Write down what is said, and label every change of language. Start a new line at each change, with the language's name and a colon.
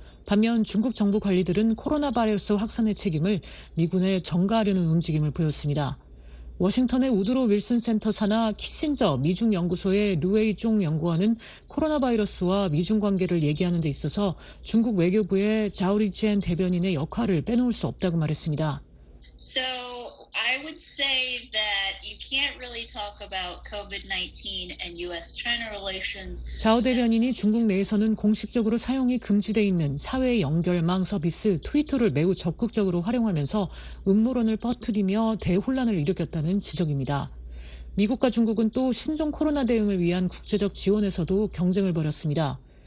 Korean: 반면 중국 정부 관리들은 코로나 바이러스 확산의 책임을 미군에 전가하려는 움직임을 보였습니다. 워싱턴의 우드로 윌슨 센터 산하 키신저 미중연구소의 루에이종 연구원은 코로나 바이러스와 미중 관계를 얘기하는 데 있어서 중국 외교부의 자오리첸 대변인의 역할을 빼놓을 수 없다고 말했습니다.
English: So I would say that you can't really talk about COVID-19 and U.S.-China relations.
Korean: 자오 대변인이 중국 내에서는 공식적으로 사용이 금지되어 있는 사회 연결망 서비스 트위터를 매우 적극적으로 활용하면서 음모론을 퍼뜨리며 대혼란을 일으켰다는 지적입니다. 미국과 중국은 또 신종 코로나 대응을 위한 국제적 지원에서도 경쟁을 벌였습니다.